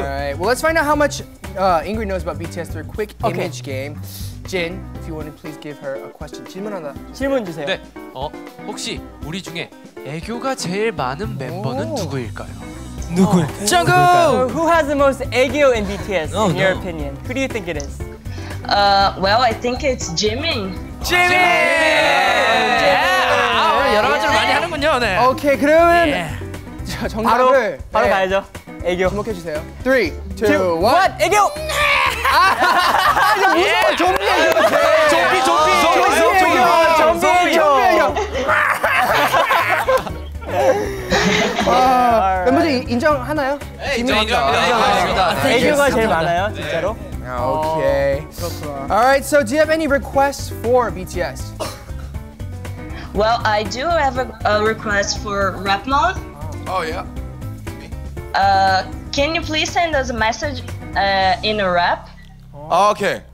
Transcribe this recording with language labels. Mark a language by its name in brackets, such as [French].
[English] Alright, well, let's find out how much Ingrid knows about BTS through a quick image okay. game. Jin, if you want to please give her a question. [Korean] 질문 하나. 질문 주세요. 네. 혹시 우리 중에 애교가 제일 많은 멤버는 오. 누구일까요? 누구일까요? Jungkook! [English] Who has the most 애교 in BTS, in your opinion? Who do you think it is? Well, I think it's Jimin. Jimin! Yeah. [Korean] 여러 가지를 많이 하는군요, 네. 오케이, [English] okay, [Korean] 그러면 yeah. 정답을 바로 네. 가야죠. 애교. 주목해주세요. 3, 2, 1 애교! 아, 무슨 말 좀비 애교 좀비, 좀비! 좀비 애교! 멤버들 인정하나요? 인정합니다. 애교가 제일 많아요, 진짜로. 오케이. [English] Alright, so do you have any requests for BTS? Well, I do have a request for Rapmon. Oh, yeah. Can you please send us a message in a rap? Oh, okay.